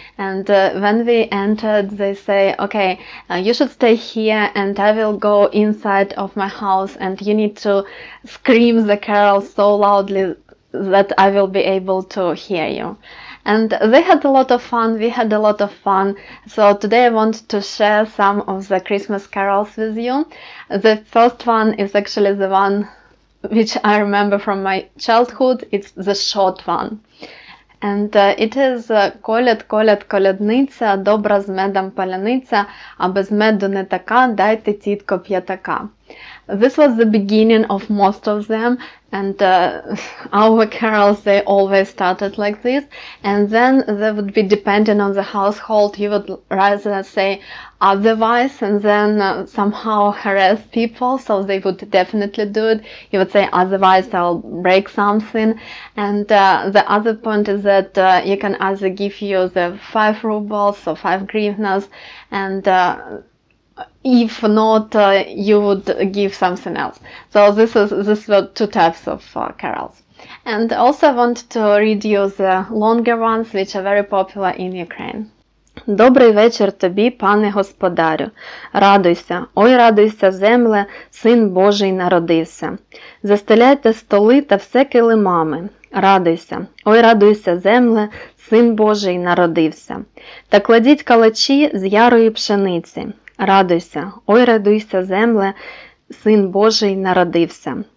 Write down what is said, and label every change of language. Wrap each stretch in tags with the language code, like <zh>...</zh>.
<en>And when we entered, they say, okay, you should stay here and I will go inside of my house and you need to scream the carol so loudly that I will be able to hear you. And they had a lot of fun, we had a lot of fun. So today I want to share some of the Christmas carols with you. The first one is actually the one which I remember from my childhood. It's the short one. And it is</en> <uk>колядь, колядь, колядниця, добра з медом паляниця, а без меду не така, дайте тітко п'ятака.</uk> <en>This was the beginning of most of them, and our carols, they always started like this. And then they would be depending on the household, you would rather say otherwise and then somehow harass people, so they would definitely do it. You would say otherwise I'll break something. And the other point is that you can either give you the 5 rubles or 5 hryvnias, and if not, you would give something else. So this were 2 types of carols. And also I want to read you the longer ones, which are very popular in Ukraine.</en> <uk>Добрий вечір тобі, пане господарю. Радуйся, ой, радуйся, земле, син Божий народився. Застеляйте столи та все килимами. Радуйся, ой, радуйся, земле, син Божий народився. Та кладіть калачі з ярої пшениці. Радуйся, ой, радуйся, земле, син Божий народився.</uk>